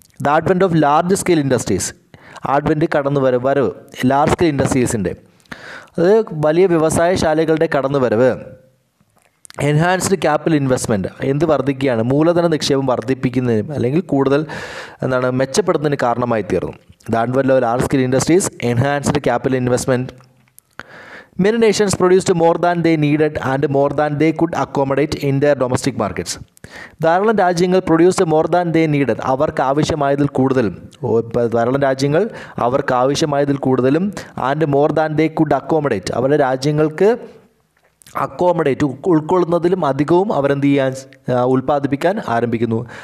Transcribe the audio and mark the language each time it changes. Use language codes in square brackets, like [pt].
[en] the advent of large scale industries, [ml] ആഡ്വെൻ്റ് കടന്നു വരവ് large scale ഇൻഡസ്ട്രീസിൻ്റെ, അത് വലിയ വ്യവസായ ശാലകളുടെ കടന്നു വരവ്, [en] enhanced capital investment [ml] എന്ത് വർദ്ധിക്കുകയാണ്? മൂലധന നിക്ഷേപം വർദ്ധിപ്പിക്കുന്നതിനും, അല്ലെങ്കിൽ കൂടുതൽ എന്താണ് മെച്ചപ്പെടുന്നതിന് കാരണമായി തീർന്നു. [en] The advent of large scale industries enhanced capital investment. Many nations produced more than they needed and more than they could accommodate in their domestic markets. [ml] ധാരാളം രാജ്യങ്ങൾ [en] produce more than they needed, [ml] അവർക്ക് ആവശ്യമായതിൽ കൂടുതലും. ഇപ്പോൾ ധാരാളം രാജ്യങ്ങൾ അവർക്ക് ആവശ്യമായതിൽ കൂടുതലും. [en] and more than they could accommodate, [ml] അവരുടെ രാജ്യങ്ങൾക്ക് അക്കോമഡേറ്റ് ഉൾക്കൊള്ളുന്നതിലും അധികവും അവരെന്ത് ചെയ്യാൻ ഉൽപ്പാദിപ്പിക്കാൻ ആരംഭിക്കുന്നു.